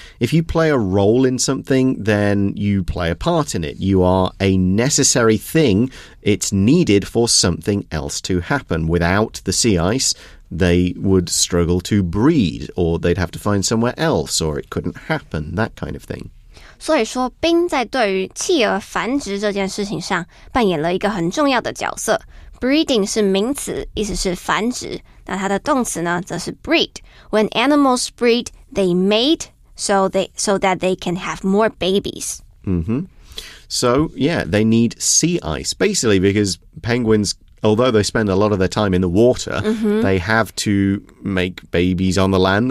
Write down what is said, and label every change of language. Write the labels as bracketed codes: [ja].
[en] If you play a role in something, then you play a part in it. You are a necessary thing. It's needed for something else to happen. Without the sea ice, they would struggle to breed, or they'd have to find somewhere else, or it couldn't happen, that kind of thing. [zh] 所以说冰在对于企鹅繁殖这件事情上扮演了一个很重要的角色。 Breeding 是名词，意思是繁殖。那它的动词呢则是 breed。 [en] When animals breed, they mate so that they can have more babies. Mm-hmm. So, yeah, they need sea ice. Basically, because penguins, although they spend a lot of their time in the water, they have to make babies on the land.